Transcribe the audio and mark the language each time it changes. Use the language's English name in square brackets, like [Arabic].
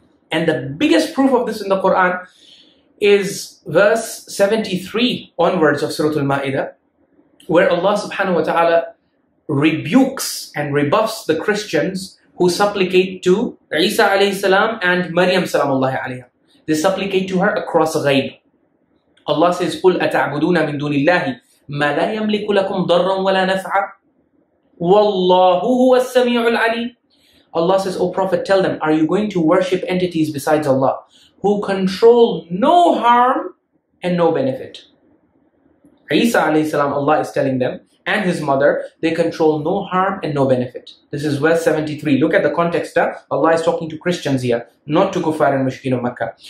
[English] And the biggest proof of this in the Quran is verse 73 onwards of Surah Al-Ma'idah, where Allah subhanahu wa ta'ala rebukes and rebuffs the Christians who supplicate to Isa alayhi salam and Maryam salamullahi alayha. They supplicate to her across ghayb. [Arabic] Allah says, قُلْ أَتَعْبُدُونَ مِن دُونِ اللَّهِ مَا لَا يَمْلِكُ لَكُمْ ضَرًّا وَلَا نَفْعًا وَاللَّهُ هُوَ السَّمِيعُ الْعَلِيمُ. [English] Allah says, O Prophet, tell them, are you going to worship entities besides Allah who control no harm and no benefit? Isa alayhi salam, Allah is telling them, and his mother, they control no harm and no benefit. This is verse 73. Look at the context. Allah is talking to Christians here, not to Kufar and Mushrikeen of Makkah.